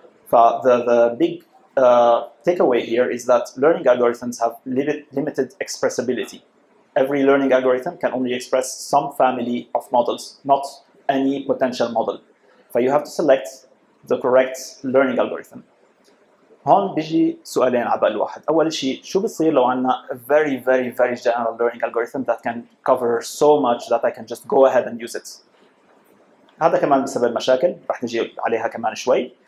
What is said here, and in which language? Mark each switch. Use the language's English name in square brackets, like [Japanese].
[English] The big takeaway here is that learning algorithms have limited expressibility. Every learning algorithm can only express some family of models, not any potential model. But you have to select the correct learning algorithm. [Arabic] هون بيجي سؤالين على بال واحد. أول شيء شو بصير لو عندنا [English] very very very general learning algorithm that can cover so much that I can just go ahead and use it. [Arabic] هذا كمان بسبب مشاكل رح نجي عليها كمان شوي.